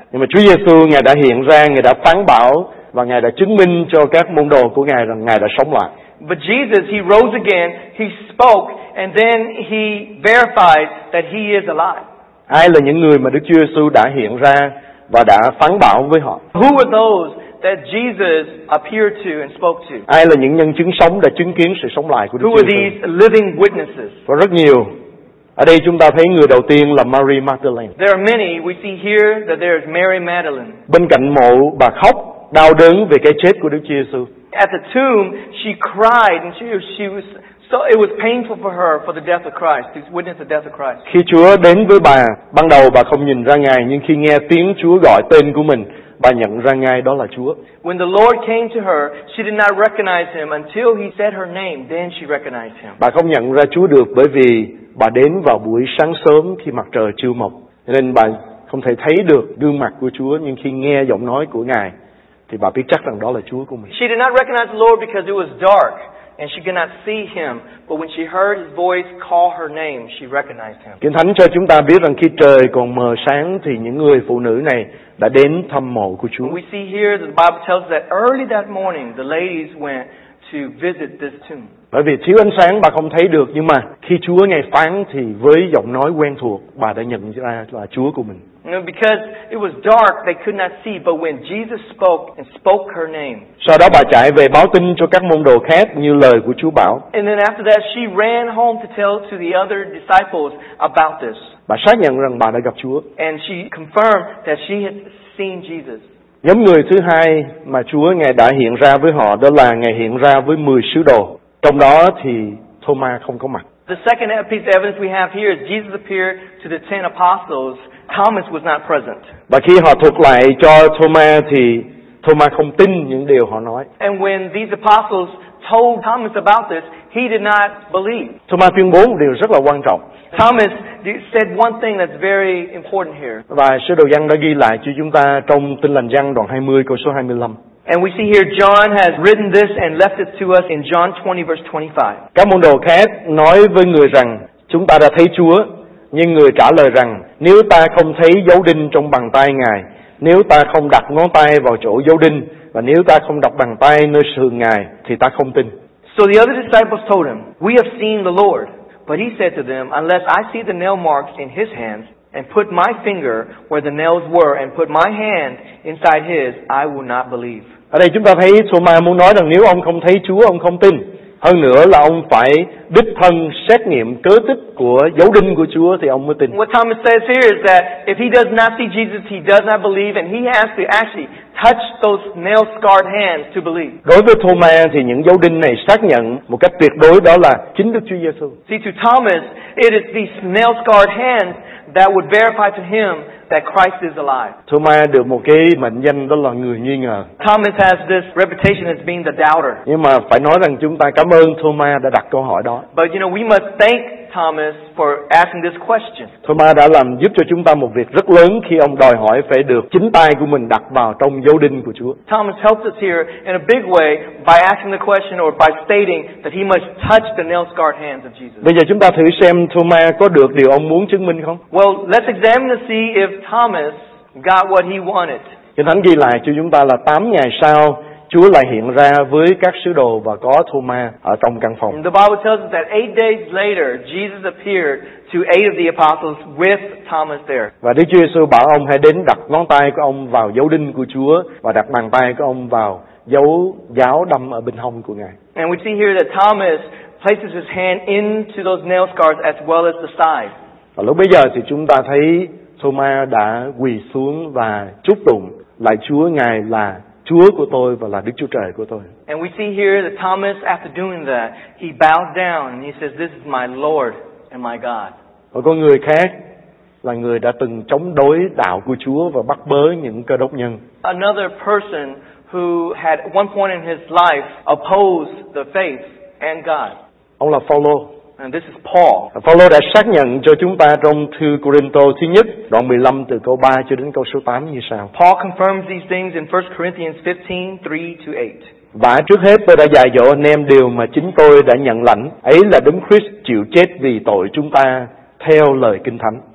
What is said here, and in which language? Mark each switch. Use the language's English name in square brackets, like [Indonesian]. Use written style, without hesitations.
[Vietnamese] Nhưng mà Chúa Giêsu ngài đã hiện ra, ngài đã phán bảo và ngài đã chứng minh cho các môn đồ của ngài rằng ngài đã sống lại. [English] But Jesus, he rose again, he spoke and then he verified that he is alive. [Vietnamese] Ai là những người mà Đức Chúa Giêsu đã hiện ra và đã phán bảo với họ? [English] Who were those that Jesus appeared to and spoke to? [Vietnamese] Ai là những nhân chứng sống đã chứng kiến sự sống lại của Đức Chúa Giêsu? [English] Who were these living witnesses? [Vietnamese] Có rất nhiều. Ở đây chúng ta thấy người đầu tiên là Mary Magdalene. [English] There are many. We see here that there is Mary Magdalene. [Vietnamese] Bên cạnh mộ, bà khóc đau đớn về cái chết của Đức Chúa Giêsu. [English] At the tomb, she cried and she was so it was painful for her for the death of Christ, to witness the death of Christ. [Vietnamese] Khi Chúa đến với bà, ban đầu bà không nhìn ra ngài, nhưng khi nghe tiếng Chúa gọi tên của mình, bà nhận ra ngay đó là Chúa. [English] When the Lord came to her, she did not recognize him until he said her name, then she recognized him. [Vietnamese] Bà không nhận ra Chúa được bởi vì bà đến vào buổi sáng sớm khi mặt trời chưa mọc, nên bà không thể thấy được gương mặt của Chúa, nhưng khi nghe giọng nói của ngài thì bà biết chắc rằng đó là Chúa của mình. [English] She did not recognize the Lord because it was dark and she could not see him, but when she heard his voice call her name, she recognized him. [Vietnamese] Kinh Thánh cho chúng ta biết rằng khi trời còn mờ sáng thì những người phụ nữ này đã đến thăm mộ của Chúa. [English] We see here the Bible tells us that early that morning the ladies went to visit this tomb. [Vietnamese] Bởi vì thiếu ánh sáng bà không thấy được, nhưng mà khi Chúa ngài phán thì với giọng nói quen thuộc bà đã nhận ra là Chúa của mình. [English] Because it was dark they could not see, but when Jesus spoke and spoke her name. [Vietnamese] Sau đó bà chạy về báo tin cho các môn đồ khác như lời của Chúa bảo. [English] And then after that she ran home to tell to the other disciples about this. [Vietnamese] Bà xác nhận rằng bà đã gặp Chúa. [English] And she confirmed that she had seen Jesus. [Vietnamese] Nhóm người thứ hai mà Chúa ngài đã hiện ra với họ đó là ngài hiện ra với 10 sứ đồ. Trong đó thì Thomas không có mặt. [English] The second piece of evidence we have here is Jesus appeared to the 10 apostles. Thomas was not present. [Vietnamese] Và khi họ thuật lại cho Thomas thì Thomas không tin những điều họ nói. [English] And when these apostles told Thomas about this, he did not believe. [Vietnamese] Thomas tuyên bố một điều rất là quan trọng. [English] Thomas said one thing that's very important here. [Vietnamese] Và sứ đồ Giăng đã ghi lại cho chúng ta trong Tin Lành Giăng đoạn 20 câu số 25. [English] And we see here John has written this and left it to us in John 20 verse 25. [Vietnamese] Các môn đồ khác nói với người rằng chúng ta đã thấy Chúa, nhưng người trả lời rằng nếu ta không thấy dấu đinh trong bàn tay ngài, nếu ta không đặt ngón tay vào chỗ dấu đinh và nếu ta không đặt bàn tay nơi sườn ngài thì ta không tin. [English] So the other disciples told him, "We have seen the Lord." But he said to them, "Unless I see the nail marks in his hands and put my finger where the nails were and put my hand inside his, I will not believe." [Vietnamese] Ở đây chúng ta thấy Thomas muốn nói rằng nếu ông không thấy Chúa, ông không tin. Hơn nữa là ông phải đích thân xét nghiệm cớ tích của dấu đinh của Chúa thì ông mới tin. [English] What Thomas says here is that if he does not see Jesus, he does not believe and he has to actually touch those nail scarred hands to believe. [Vietnamese] Đối với Thomas thì những dấu đinh này xác nhận một cách tuyệt đối đó là chính Đức Chúa Giêsu. [English] See, to Thomas, it is these nail scarred hands that would verify to him that Christ is alive. [Vietnamese] Thomas được một cái mệnh danh đó là người nghi ngờ. [English] Thomas has this reputation as being the doubter. [Vietnamese] Nhưng mà phải nói rằng chúng ta cảm ơn Thomas đã đặt câu hỏi đó. [English] But you know, we must thank Thomas for asking this question. [Vietnamese] Thomas đã làm giúp cho chúng ta một việc rất lớn khi ông đòi hỏi phải được chính tay của mình đặt vào trong dấu đinh của Chúa. [English] Thomas helped us here in a big way by asking the question or by stating that he must touch the nail-scarred hands of Jesus. [Vietnamese] Bây giờ chúng ta thử xem Thomas có được điều ông muốn chứng minh không? [English] Well, let's examine to see if Thomas got what he wanted. [Vietnamese] Kinh Thánh ghi lại cho chúng ta là 8 ngày sau Chúa lại hiện ra với các sứ đồ và có Thomas ở trong căn phòng. [English] The Bible tells us that 8 days later Jesus appeared to 8 of the apostles with Thomas there. [Vietnamese] Và Đức Chúa Giêsu bảo ông hãy đến đặt ngón tay của ông vào dấu đinh của Chúa và đặt bàn tay của ông vào dấu giáo đâm ở bên hông của ngài. [English] And we see here that Thomas places his hand into those nail scars as well as the side. [Vietnamese] Và lúc bây giờ thì chúng ta thấy Thomas đã quỳ xuống và chúc tụng lại Chúa, ngài là Chúa của tôi và là Đức Chúa Trời của tôi. [English] And we see here that Thomas, after doing that, he bows down and he says, "This is my Lord and my God." [Vietnamese] Và có người khác là người đã từng chống đối đạo của Chúa và bắt bớ những cơ đốc nhân. [English] Another person who had one point in his life opposed the faith and God. [Vietnamese] Ông là Phaolô. [English] And this is Paul. [Vietnamese] Phaolô đã xác nhận cho chúng ta trong thư Corinto thứ nhất, đoạn 15 từ câu 3 cho đến câu số 8 như sau. [English] Paul confirms these things in 1 Corinthians 15:3-8. [Vietnamese] Và trước hết tôi đã dạy dỗ anh em điều mà chính tôi đã nhận lãnh, ấy là Đấng Christ chịu chết vì tội chúng ta theo lời Kinh Thánh.